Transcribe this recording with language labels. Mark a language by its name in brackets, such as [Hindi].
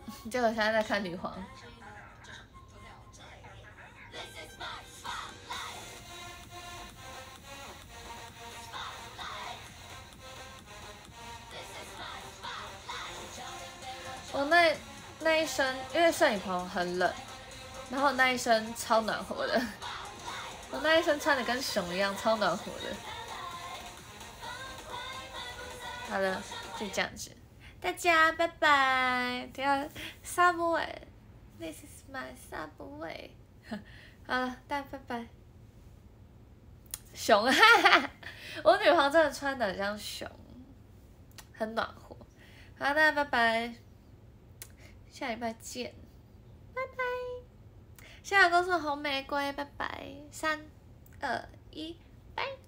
[Chinese] 结果现在在看女皇，我那一身，因为摄影棚很冷，然后那一身超暖和的，我那一身穿的跟熊一样，超暖和的。好了，就这样子。大家拜拜，第二 Subway， [English] This is my Subway。 [Chinese] 好了，大家拜拜。熊哈哈，我女皇真的穿得很像熊，很暖和。好，大家拜拜，下礼拜见，拜拜。现在公司红玫瑰，拜拜，三二一，拜。